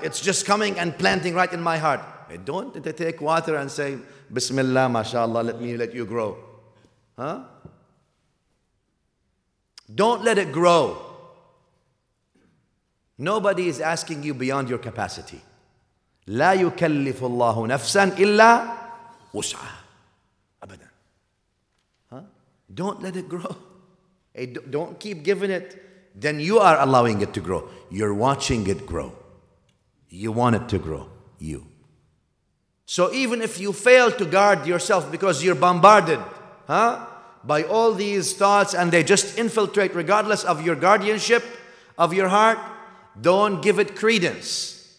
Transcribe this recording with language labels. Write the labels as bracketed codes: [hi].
[en] It's just coming and planting right in my heart. Don't take water and say, Bismillah, mashallah, let me let you grow. Don't let it grow. Nobody is asking you beyond your capacity. [ar] لا يكلف الله نفسا إلا وسعها أبدا. [en] Don't let it grow. Don't keep giving it. Then you are allowing it to grow. You're watching it grow. You want it to grow. You. So even if you fail to guard yourself because you're bombarded, by all these thoughts and they just infiltrate regardless of your guardianship of your heart, don't give it credence.